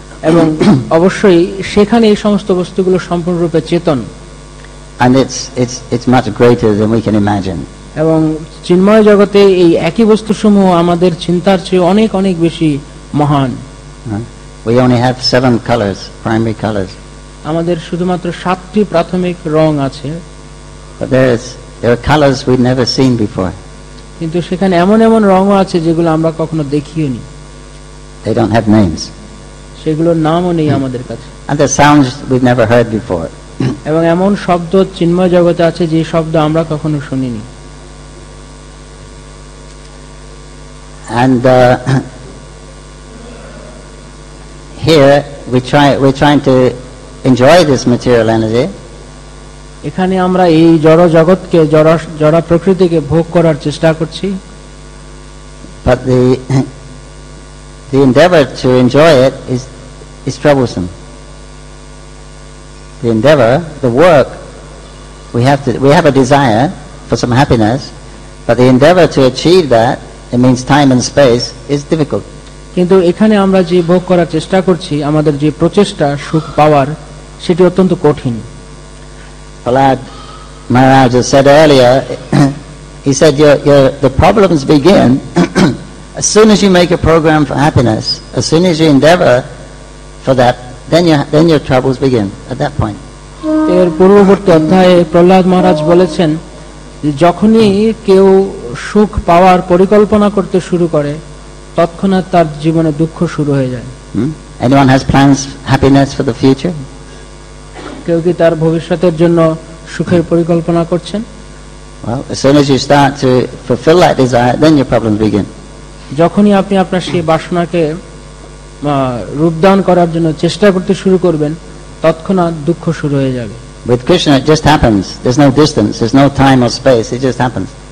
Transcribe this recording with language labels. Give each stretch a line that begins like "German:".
Bangla: এবং অবশ্যই সেখানে এই সমস্ত বস্তুগুলো সম্পূর্ণরূপে চেতন।
English: And it's much greater than we can imagine.
Bangla: এবং চিন্ময় জগতে এই একই বস্তুসমূহ আমাদের চিন্তার চেয়ে অনেক অনেক বেশি মহান।
English: We only have 7 colors, primary colors.
Bangla: আমাদের শুধুমাত্র 7টি প্রাথমিক রং আছে।
English: There are colors we've never seen before.
Bangla: কিন্তু সেখানে এমন এমন রঙও আছে যেগুলো আমরা কখনো দেখিওনি।
English: They don't have names.
Bangla: সেগুলোর নামও নেই আমাদের কাছে।
English: And the sounds we've never heard before.
Bangla: এবং এমন শব্দ চিন্ময় জগতে আছে যে শব্দ আমরা কখনো শুনিনি।
English: And here we're trying to enjoy this material energy.
Bangla: এখানে আমরা এই জড় জগৎকে জড় প্রকৃতিকে ভোগ করার চেষ্টা করছি।
English: But the endeavor to enjoy it is troublesome. The endeavor, the work, we have a desire for some happiness, but the endeavor to achieve that, it means time and space, is difficult.
Bangla: কিন্তু এখানে আমরা যে ভোগ করার চেষ্টা করছি, আমাদের যে প্রচেষ্টা সুখ পাওয়ার, সেটি অত্যন্ত কঠিন।
English: Prahlad Maharaj said earlier, he said the problems begin as soon as you make a program for happiness, as soon as you endeavor for that, then your troubles begin at that point.
Bangla: এর পূর্ববর্তী অধ্যায়ে প্রহ্লাদ মহারাজ বলেছেন যখনই কেউ সুখ পাওয়ার পরিকল্পনা করতে শুরু করে তৎক্ষণাৎ তার জীবনে দুঃখ শুরু হয়ে যায়।
English: Anyone has plans happiness for the future?
Bangla: কেউ কি তার ভবিষ্যতের জন্য সুখের পরিকল্পনা করছেন?
English: Well, as soon as you start to fulfill that desire, then your problems begin.
Bangla: যখনই আপনি আপনার সেই বাসনাকে রূপদান করার জন্য চেষ্টা করতে শুরু করবেন তৎক্ষণাৎ দুঃখ শুরু হয়ে যাবে।
English: With Krishna it just happens. There's no distance, there's no time or space, it just happens.